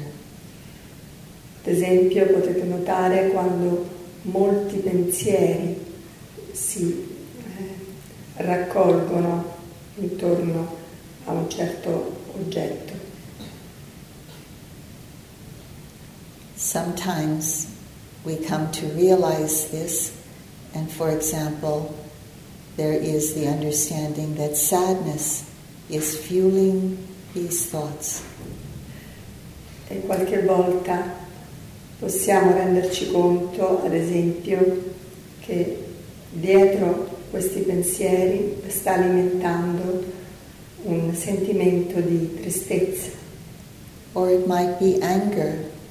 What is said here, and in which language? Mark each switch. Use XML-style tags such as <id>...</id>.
<it>Ad esempio, potete notare quando molti pensieri si raccolgono intorno a un certo oggetto.</it> <en>Sometimes we come to realize this, and for example, there is the understanding that sadness is fueling these thoughts.</en> <it>E qualche volta possiamo renderci conto, ad esempio, che dietro questi pensieri sta alimentando un sentimento di tristezza.</it> <en>Or it might be anger.</en>